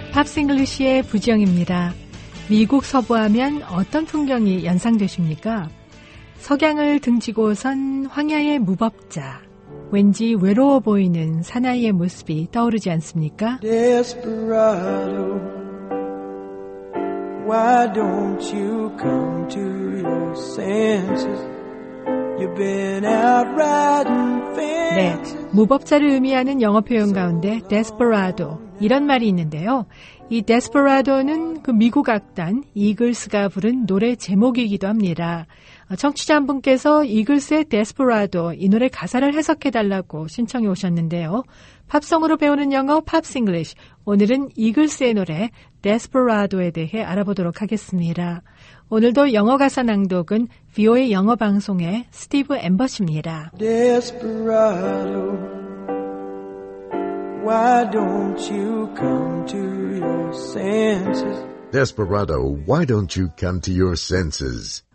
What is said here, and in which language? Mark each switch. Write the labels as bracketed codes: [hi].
[ko] Pops English의 부정입니다. 미국 서부하면 어떤 풍경이 연상되십니까? 석양을 등지고 선 황야의 무법자. 왠지 외로워 보이는 사나이의 모습이 떠오르지 않습니까? [en] Desperado, why don't you come to your senses? You've been out riding fences. [ko] 네, 무법자를 의미하는 영어 표현 가운데 Desperado 이런 말이 있는데요. 이 Desperado는 그 미국 악단 이글스가 부른 노래 제목이기도 합니다. 청취자 한 분께서 이글스의 Desperado 이 노래 가사를 해석해달라고 신청해 오셨는데요. 팝송으로 배우는 영어 팝스 잉글리시 오늘은 이글스의 노래 Desperado에 대해 알아보도록 하겠습니다. 오늘도 영어 가사 낭독은 VOA 영어 방송의 스티브 엠버시입니다. [en] Desperado, why don't you come to your senses? Desperado, why don't you come to your senses?